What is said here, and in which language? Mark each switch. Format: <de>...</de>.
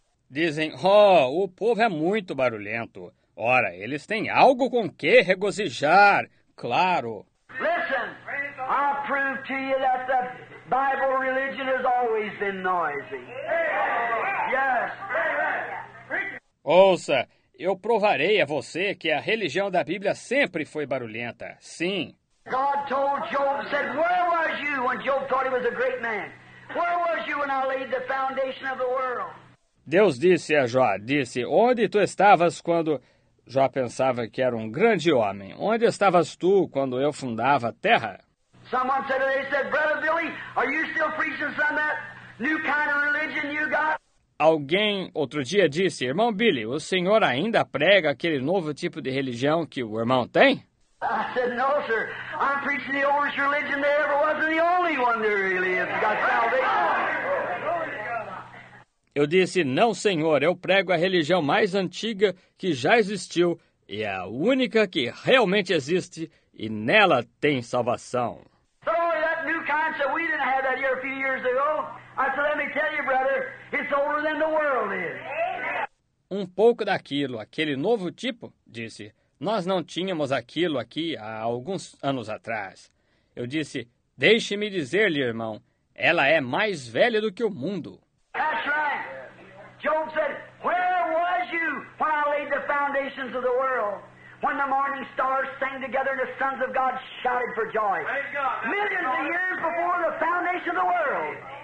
<pt>Dizem, oh, o povo é muito barulhento. Ora, eles têm algo com que regozijar, claro.</pt> <en>Listen, I'll prove to you that the Bible religion has always been noisy. Yes.</en> <pt>Ouça, Eu provarei a você que a religião da Bíblia sempre foi barulhenta. Sim.</pt> <en>God told Job, said, where was you when Job thought he was a great man? Where was you when I laid the foundation of the world?</en> <pt>Deus disse a Jó, disse, onde tu estavas quando Jó pensava que era um grande homem? Onde estavas tu quando eu fundava a terra?</pt> <en>Someone said, they said, Brother Billy, are you still preaching some of that new kind of religion you got?</en> <pt>Alguém outro dia disse, irmão Billy, o senhor ainda prega aquele novo tipo de religião que o irmão tem?</pt> <en>I said, no, sir. I'm preaching the oldest religion there ever was and the only one there really is. Got salvation.</en> <pt>Eu disse, não, senhor, eu prego a religião mais antiga que já existiu e é a única que realmente existe e nela tem salvação.</pt> <en>So, that new concept, we didn't have that here a few years ago. I said, let me tell you, brother, it's older than the world is.</en> <pt>Um pouco daquilo, aquele novo tipo, disse, nós não tínhamos aquilo aqui há alguns anos atrás. Eu disse, deixe-me dizer-lhe, irmão, ela é mais velha do que o mundo.</pt> <en>That's right. Job said, where was you when I laid the foundations of the world? When the morning stars sang together and the sons of God shouted for joy. Millions of years before the foundation of the world.</en>